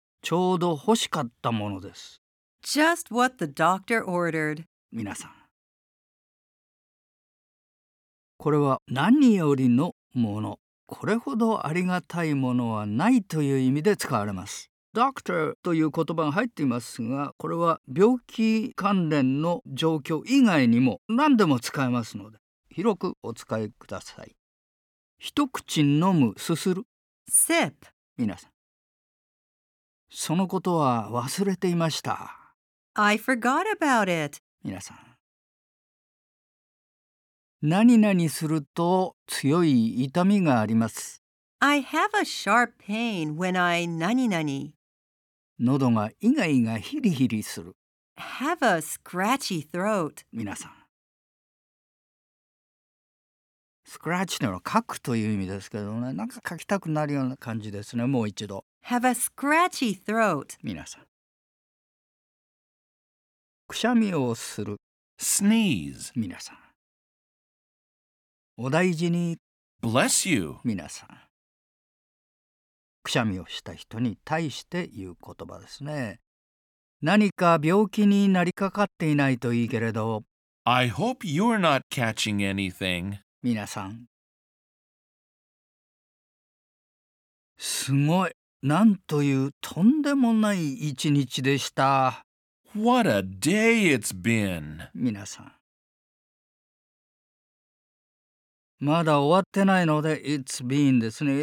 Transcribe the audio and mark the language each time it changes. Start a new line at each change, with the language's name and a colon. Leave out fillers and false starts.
Japanese: ちょうど欲しかったものです。
English: Just what the doctor ordered.
Japanese: 皆さん。これは何よりのもの。これほどありがたいものはないという意味で使われます。 Doctor という言葉が入っていますが、これは病気関連の状況以外にも何でも使えますので、広くお使いください。一口飲む、すする。
English: Sip.
Japanese: 皆さん、そのことは忘れていました。
English: I forgot about it.
Japanese: 皆さん、何々すると強い痛みがあります。
English: I have a sharp pain when I 何々。
Japanese: 喉がイガイガヒリヒリする。
English: Have a scratchy throat.
Japanese: 皆さん、スクラッチというのは書くという意味ですけどね、なんか書きたくなるような感じですね。もう一度。
English: Have a scratchy throat.
Japanese: 皆さん。くしゃみをする。
English: Sneeze.
Japanese: 皆さん。お大事に。
English: Bless you.
Japanese: 皆さん。くしゃみをした人に対して言う言葉ですね。何か病気になりかかっていないといいけれど。
English: I hope you're not catching anything.
Japanese: 皆さん、すごい、なんというとんでもない一日でした。
English: What a day it's been.
Japanese: 皆さん、まだ終わってないので、
English: It's been
Japanese: ですね。